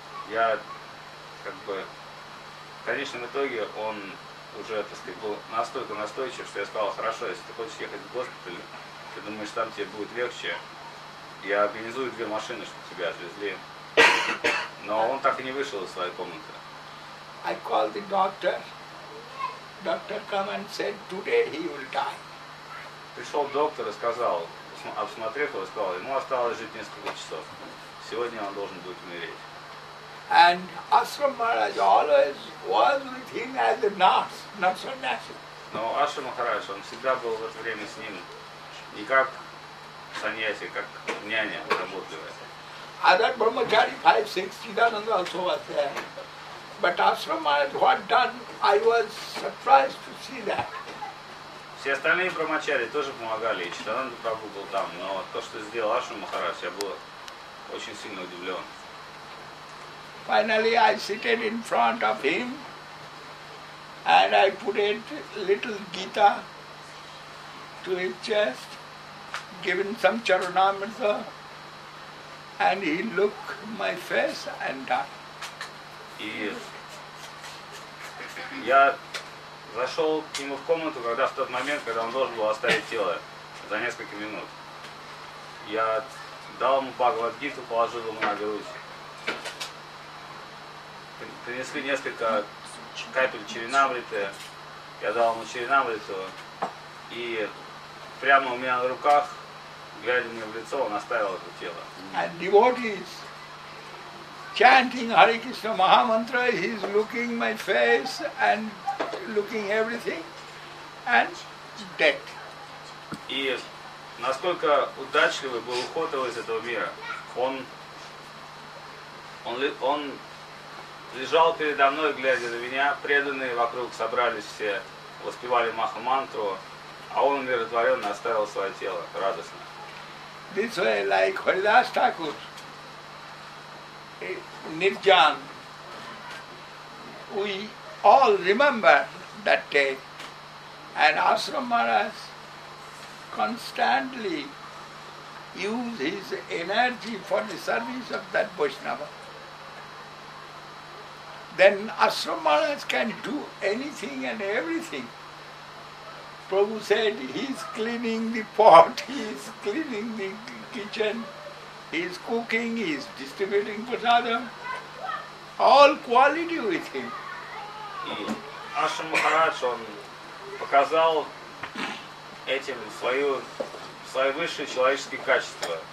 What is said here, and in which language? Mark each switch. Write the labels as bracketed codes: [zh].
[ru] Я как бы в конечном итоге он уже, так сказать, был настолько настойчив, что я сказал, хорошо, если ты хочешь ехать в госпиталь, ты думаешь, там тебе будет легче, я организую две машины, чтобы тебя отвезли. Но он так и не вышел из своей комнаты. [en] I called the doctor. Doctor come and said, today he will die. [ru] Пришел доктор и сказал, обсмотрев его, сказал, ему осталось жить несколько часов. Сегодня он должен будет умереть. [en] And Ashram Maharaj always was with him as a nurse, not so nursing. [ru] Но Ашрам Махарадж, он всегда был в это время с ним, не как саньяси, как няня, работливая. [en] Other Brahmachari 5-6, Chidananda also was there. But Ashram Maharaj, what done, I was surprised to see that. [ru] Все остальные Брахмачари тоже помогали, и Чидананда Прабху был там. Но то, что сделал Ашрам Махарадж, я был очень сильно удивлен. [en] Finally, I seated in front of him, and I put a little Gita to his chest, given some charanamrita, and he looked my face and died. [ru] И я зашел к нему в комнату, когда в тот момент, когда он должен был оставить тело за несколько минут, я дал ему Бхагавад Гиту, положил ему на грудь. Принесли несколько капель чаринамриты, я дал ему чаринамриту, и прямо у меня на руках, глядя мне в лицо, он оставил это тело. [en] And devotees chanting Hare Krishna Mahamantra, he's looking my face and looking everything and dead. [ru] И насколько удачливый был уход его из этого мира, он лежал передо мной, глядя на меня, преданные вокруг собрались все, воспевали Маха-мантру, а он умиротворенно оставил свое тело радостно. [en] This way, like Haridas Thakur, Nirjan, we all remember that day, and Ashram Maharaj constantly used his energy for the service of that Vaishnava. Then Ashram Maharaj can do anything and everything. Prabhu said he is cleaning the pot, he is cleaning the kitchen, he is cooking, he is distributing prasadam. All quality with him. [ru] Ashram Maharaj, он показал этим свои высшие человеческие качества.